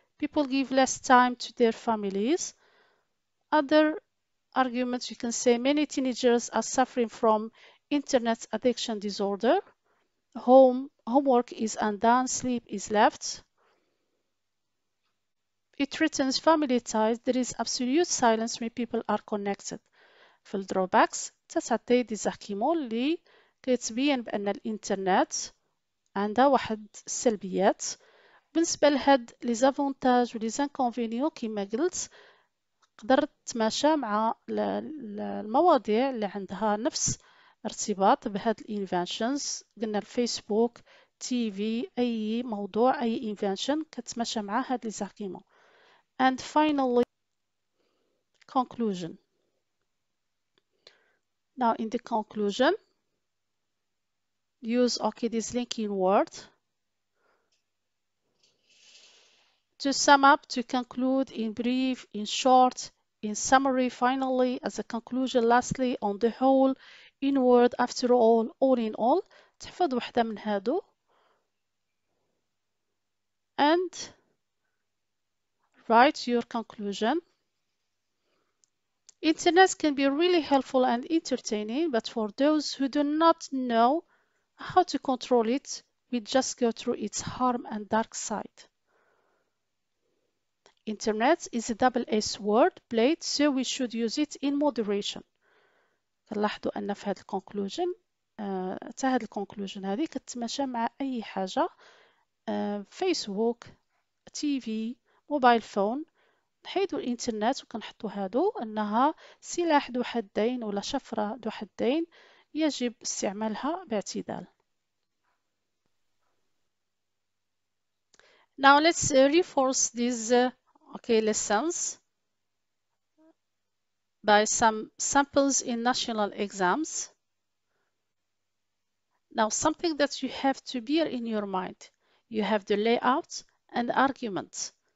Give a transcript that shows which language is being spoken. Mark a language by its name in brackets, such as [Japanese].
[English] People give less time to their families. Other arguments, you can say many teenagers are suffering from internet addiction disorder. Homework is undone, sleep is left. It threatens family ties. There is absolute silence when people are connected. [Arabic] في الدروباكس تتعطي ديزاكيمو اللي كيتبين بأن الإنترنت عندها واحد السلبيات. بالنسبة لهاد لي زافونتاج ولي زانكونفينيو كيما قلت قدر تتماشى مع المواضيع اللي عندها نفس ارتباط بهاد الانفنشنز. قلنا الفيسبوك تي في اي موضوع اي انفنشن كتتماشى مع هاد لي زاكيمو. [English] And finally conclusion. Now in the conclusion, use okay this linking word to sum up, to conclude, in brief, in short, in summary, finally, as a conclusion, lastly, on the whole, in word, after all in all. [Arabic] تحفظ واحدة من هادو [English] and write your conclusion Internet can be really helpful and entertaining, but for those who do not know how to control it, we just go through its harm and dark side. Internet is a double-edged sword blade, so we should use it in moderation. [Arabic] لاحظوا أن في هذه الكونكلوجن تا هذه الكونكلوجن هذه كتتماشى مع أي حاجة فيسبوك تي في موبايل فون. نحيدوا الإنترنت وكنحطوا هادو أنها سلاح ذو حدين ولا شفرة ذو حدين يجب استعمالها باعتدال. [English] Now let's reinforce these lessons by some samples in national exams. Now, something that you have to bear in your mind, you have the layout and argument.